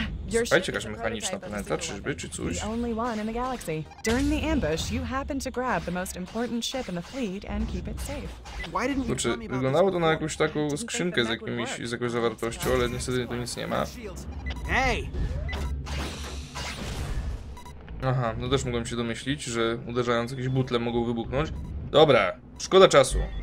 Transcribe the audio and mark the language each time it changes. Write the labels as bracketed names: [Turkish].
[Polish] Słuchajcie, jakaś mechaniczna planeta, czyżby, czy coś? [English] The only one in the galaxy. During the ambush, you happened to grab the most important ship in the fleet and keep it safe. Why didn't you tell me? [Polish] Wyglądało to na jakąś taką skrzynkę z jakąś zawartością, ale niestety to nic nie ma. [English] Hey. [Polish] Aha, no też mogłem się domyślić, że uderzając jakieś butle mogą wybuchnąć. Dobra, szkoda czasu.